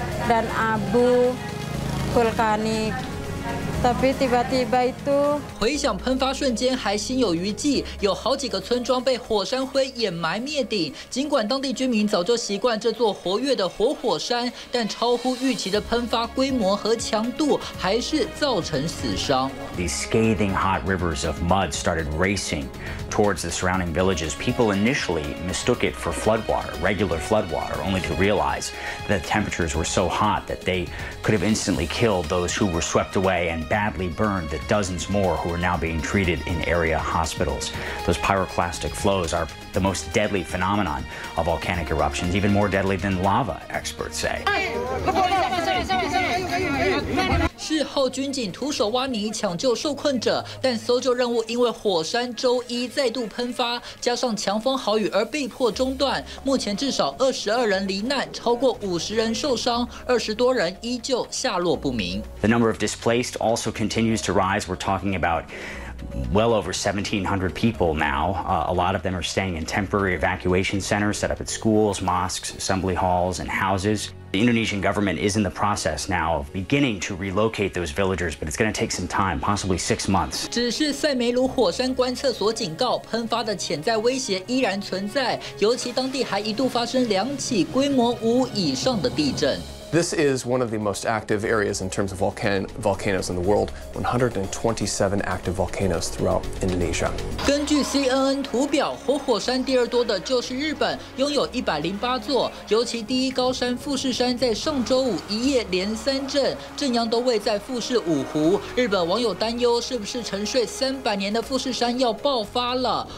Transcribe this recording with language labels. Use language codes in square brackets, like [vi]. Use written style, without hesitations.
[id] Dan abu vulkanik. Tapi tiba-tiba itu [zh] 回想喷发瞬间还心有余悸，有好几个村庄被火山灰掩埋灭顶。尽管当地居民早就习惯这座活跃的活 火山，但超乎预期的喷发规模和强度还是造成死伤。 [en] These scathing hot rivers of mud started racing towards the surrounding villages. People initially mistook it for flood water, regular flood water, only to realize that temperatures were so hot that they could have instantly killed those who were swept away. And badly burned the dozens more who are now being treated in area hospitals. Those pyroclastic flows are the most deadly phenomenon of volcanic eruptions, even more deadly than lava, experts say. [zh] 事后，军警徒手挖泥抢救受困者，但搜救任务因为火山周一再度喷发，加上强风豪雨而被迫中断。目前至少22人罹难，超过50人受伤，20多人依旧下落不明。 [en] The number of displaced also continues to rise. We're talking about. Well over 1,700 people now. A lot of them are staying in temporary evacuation centers set up at schools, mosques, assembly halls, and houses. The Indonesian government is in the process now of beginning to relocate those villagers, but it's going to take some time, possibly 6 months. [zh] 只是塞梅鲁火山观测所警告，喷发的潜在威胁依然存在，尤其当地还一度发生2起规模5以上的地震。 [en] This is one of the most active areas in terms of volcanoes in the world, 127 active volcanoes throughout Indonesia. [zh] 根据 CNN 图表，活 火山第二多的就是日本，拥有108座，尤其第一高山富士山在上周五一夜连三震，震央都位在富士五湖。日本网友担忧，是不是沉睡300年的富士山要爆发了？